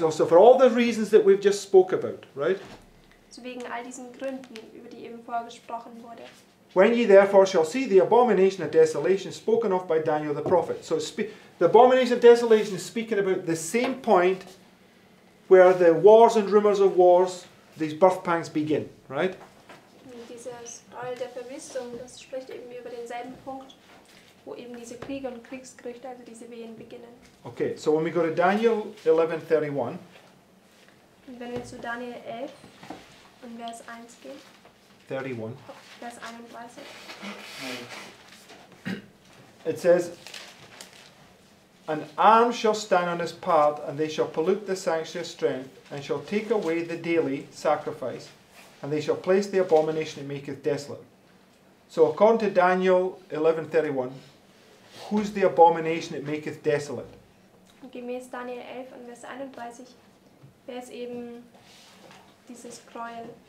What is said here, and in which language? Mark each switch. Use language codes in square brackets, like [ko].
[en] Also for all the reasons that we've just spoke about, right? [de] So wegen all diesen Gründen, über die eben vorher gesprochen wurde. [en] When ye therefore shall see the abomination of desolation spoken of by Daniel the prophet. So the abomination of desolation is speaking about the same point where the wars and rumors of wars, these birth pangs begin, right? [de] Dieser Scroll der Verwüstung, das spricht eben über denselben Punkt, wo eben diese Kriege und Kriegsgerüchte, also diese Wehen, beginnen. [en] Okay, so when we go to Daniel 11:31. [de] Und wenn wir zu Daniel 11 und Vers 1 gehen. 31. Vers 31. [en] It says, an arm shall stand on his part, and they shall pollute the sanctuary strength, and shall take away the daily sacrifice, and they shall place the abomination that maketh desolate. So according to Daniel 11:31, who's the abomination that maketh desolate? [de] Gemäß Daniel 11 und Vers 31, wer ist eben dieses Gräuel?